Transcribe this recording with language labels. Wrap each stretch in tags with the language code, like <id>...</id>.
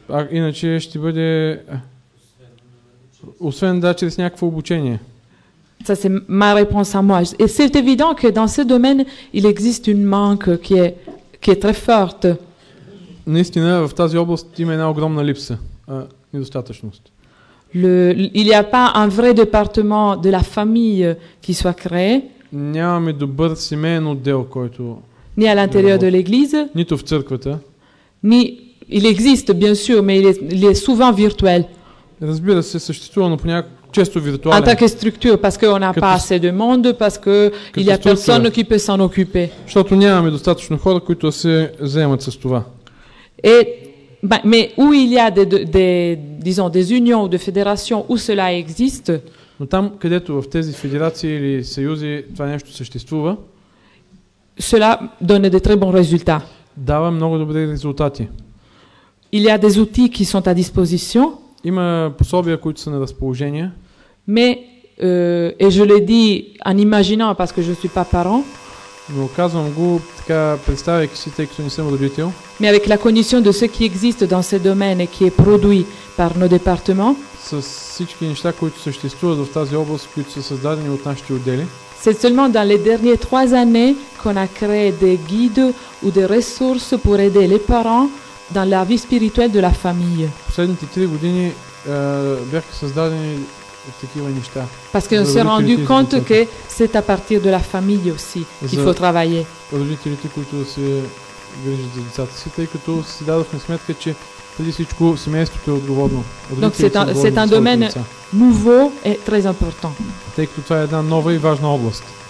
<bg>Иначе ще бъде освен да чрез някакво обучение.</bg> <fr>Ça c'est ma réponse à moi. Et c'est évident que dans ce domaine, il existe une manque qui est très forte.</fr> <bg>Наистина в тази област има една огромна липса, недостатъчност.</bg> <fr>Il n'y a pas un vrai département de la famille qui soit créé.</fr> <bg>Нямаме добър семейен отдел, който ни</bg> <fr>à l'intérieur de l'église.</fr> <bg>Нито в църквата. Ни</bg> <fr>il existe bien sûr, mais il est souvent virtuel.</fr> <bg>Разбира се, съществува, но понякога често виртуален.</bg> <fr>En tant que structure parce qu'on n'a pas assez de monde parce que il y a personne qui peut s'en occuper.</fr> <bg>Защото нямаме достатъчно хора, които се заемат с това.</bg> <fr>Et mais où il y a des unions ou des fédérations où cela existe?</fr> <bg>Но там, където в тези федерации или съюзи това нещо съществува,</bg> <fr>cela donne de très bons résultats.</fr> <bg>Дава много добри резултати.</bg> <fr>Il y a des outils qui sont à disposition.</fr> <bg>Има пособия, които са на разположение.</bg> <fr>Mais et je le dis en imaginant parce que je suis pas parent.</fr> <bg>Но казвам го така, представяйки си, тъй като не съм родител.</bg> <fr>Mais avec la condition de ce qui existe dans ce domaine et qui est produit par nos départements.</fr> <bg>С всички неща, които съществуват в тази област, които са създадени от нашите отдели.</bg> <fr>C'est seulement dans les dernières 3 années qu'on a créé des guides ou des ressources pour aider les parents dans la vie spirituelle de la famille.</fr> <bg>Последните 3 години бяха създадени такива неща.</bg> <fr>Parce qu'on s'est rendu compte que c'est à partir de la famille aussi qu'il faut travailler.</fr> <bg>Родителите, които се грижат за децата си, тъй като си дадохме сметка, че преди всичко семейството е отговорно.</bg> <fr>Donc c'est un domaine nouveau et très important.</fr> <bg>Тъй като това е една нова и важна област.</bg>